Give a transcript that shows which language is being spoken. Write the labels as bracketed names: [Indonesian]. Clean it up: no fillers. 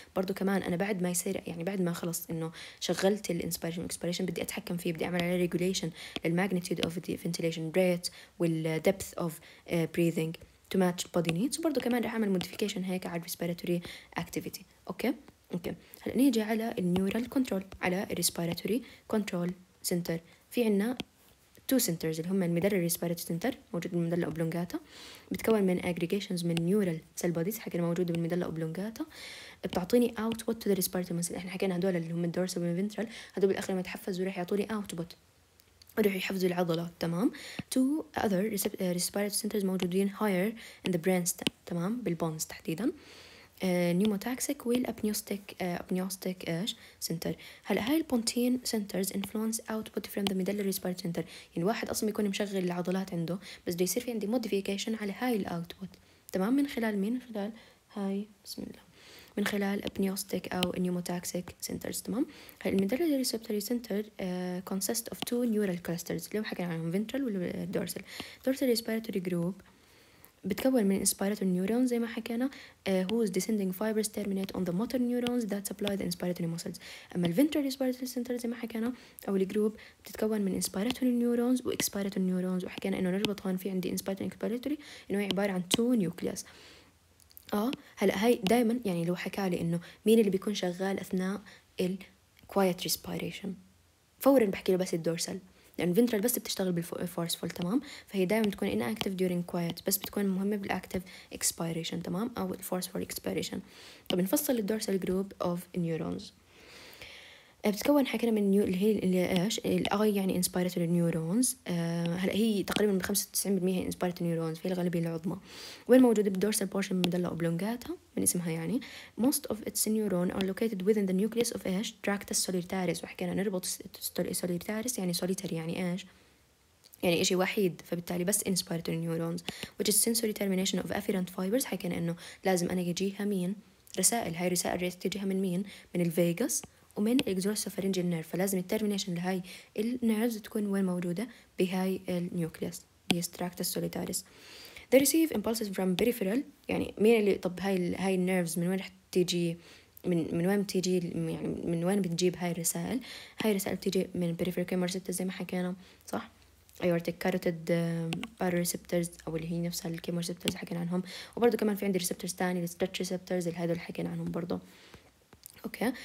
[Arabic] برضو كمان انا بعد ما يصير يعني بعد ما خلص انه شغلت الانسبيريشن والاكسبيريشن بدي اتحكم فيه، بدي اعمل عليه ريجوليشن للماجنيتيود اوف ذا فنتيليشن ريت والدبث اوف بريذنج [English] to match body needs، [Arabic] وبرضو كمان رح أعمل modification هيك على respiratory activity. أوكي؟ أوكي. هلأ نيجي على neural control، على respiratory control center. في عنا two centers اللي هم المدلل respiratory center موجود بالمدلة أوبلونجاتا، بتكون من aggregations من neural cell bodies حكينا موجودة بالمدلة أوبلونجاتا، بتعطيني [English] output to the respiratory muscle. [Arabic] إحنا حكينا هدول اللي هم dorsal and ventral، هدول بالأخير ما تحفزوا رح يعطوني output، رح يحفزوا العضلات تمام. [English] Two other respiratory centers [Arabic] موجودين [English] higher in the brainstem تمام، [Arabic] بالبونز تحديدا [English] pneumotaxic والapneustic ايش center. [Arabic] هلا هاي البونتين centers [English] influence output from the medullary respiratory center، [Arabic] يعني واحد اصلا بيكون مشغل العضلات عنده بس بده يصير في عندي modification على هاي الاوتبوت تمام، من خلال مين؟ من خلال هاي بسم الله، من خلال apneustic أو pneumotaxic centers تمام. [English] المدلل receptory center consists of two neural clusters [Arabic] اللي هم حكينا عنهم [English] ventral والdorsal. dorsal respiratory group [Arabic] بتكون من [English] inspiratory neurons [Arabic] زي ما حكينا [English] whose descending fibers terminate on the motor neurons that supply the inspiratory muscles. [Arabic] أما الventral respiratory center زي ما حكينا أو الجروب بتتكون من inspiratory neurons وexpiratory neurons، وحكينا إنه نربط هون في عندي inspiratory expiratory إنه عبارة عن two nucleus. هلا هاي دائما يعني لو حكى لي انه مين اللي بيكون شغال اثناء ال quiet respiration فورا بحكي له بس الدورسال، لان يعني الفنترال بس بتشتغل بالفورسفول تمام، فهي دائما بتكون inactive during quiet بس بتكون مهمه بالactive expiration تمام او الفورسفول expiration. طب نفصل الدورسال group of neurons، بتكون حكينا من النيو اللي هي اللي ايش الاي يعني inspiratory neurons. هلا هي تقريبا ب 95% هي inspiratory neurons في الغالبيه العظمى. وين موجوده؟ بالدورسال portion من المدلة اوبلونجاتا من اسمها يعني. [English] most of its neurons are located within the nucleus of [Arabic] ايش tractus solitaris، وحكينا نربط solitaris يعني solitary يعني ايش يعني إشي وحيد، فبالتالي بس inspiratory neurons [English] which is sensory termination of afferent fibers. [Arabic] حكينا انه لازم انا يجيها مين رسائل، هاي رسائل رح تجيها من مين؟ من الفيجاس ومن الاكزوسوفارينجيال نيرف، فلازم التيرمينيشن لهاي النيرفز تكون وين موجوده؟ بهاي النيوكليوس هي تراكتس سوليتاريس. [English] the receive impulses from peripheral, [Arabic] يعني مين اللي طب هاي النيرفز من وين رح تيجي؟ من وين بتيجي يعني من وين بتجيب هاي الرسائل؟ هاي الرسائل بتيجي من البيريفيرال كاميرا ريسبتورز زي ما حكينا صح، ايورتيك كاروتيد بارو ريسبتورز او اللي هي نفسها الكاميرا ريسبتورز حكينا عنهم، وبرضه كمان في عندي ريسبتورز ثاني الستريتش ريسبتورز اللي هذول حكينا عنهم برضه اوكي.